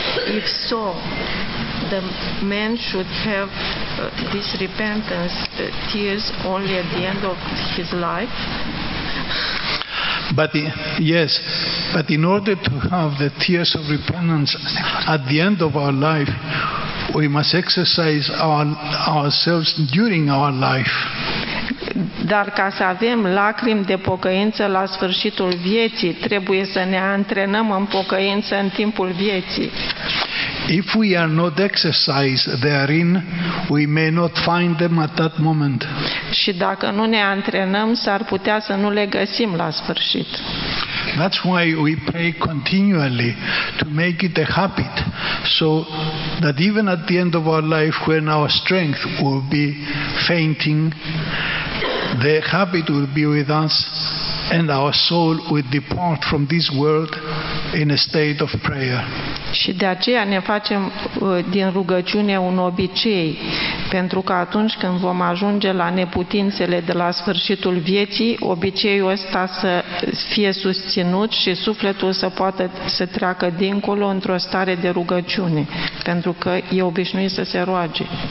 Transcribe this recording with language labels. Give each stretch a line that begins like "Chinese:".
English: If so, the man should have this repentance tears only at the end of his life. But in order to have the tears of repentance at the end of our life, we must exercise ourselves during our life.
Romanian: Dar ca să avem lacrimi de pocăință la sfârșitul vieții, trebuie să ne antrenăm în pocăință în timpul vieții.
English: If we are not exercised therein, we may not find them at that moment.
Romanian: Și dacă nu ne antrenăm, s-ar putea să nu le găsim la sfârșit.
English: That's why we pray continually to make it a habit, so that even at the end of our life, when our strength will be fainting, the habit will be with us and our soul will depart from this world in a state of prayer.
Romanian: Și de aceea ne facem din rugăciune un obicei, pentru că atunci când vom ajunge la neputințele de la sfârșitul vieții, obiceiul ăsta să fie susținut și sufletul să poată să treacă dincolo într-o stare de rugăciune, pentru că e obișnuit să se roage.